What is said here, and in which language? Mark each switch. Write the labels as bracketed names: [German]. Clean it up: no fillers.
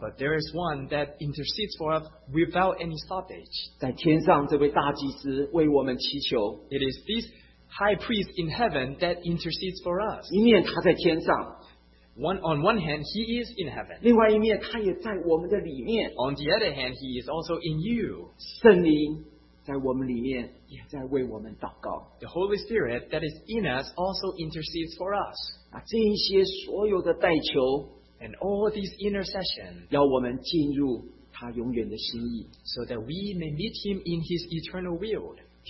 [English] But there is one that intercedes for us without any stoppage. [Chinese] 在天上这位大祭司为我们祈求 [English] It is this High priest in heaven that intercedes for us. [Chinese] 一面他在天上, [English] on one hand, he is in heaven. [Chinese] 另外一面他也在我们的里面, [English] on the other hand, he is also in you. [Chinese] 圣灵在我们里面也在为我们祷告, [English] the Holy Spirit that is in us also intercedes for us. [Chinese] 啊, 这一些所有的代求, [English] and all these intercessions, [Chinese] 要我们进入他永远的心意, [English] so that we may meet him in his eternal will.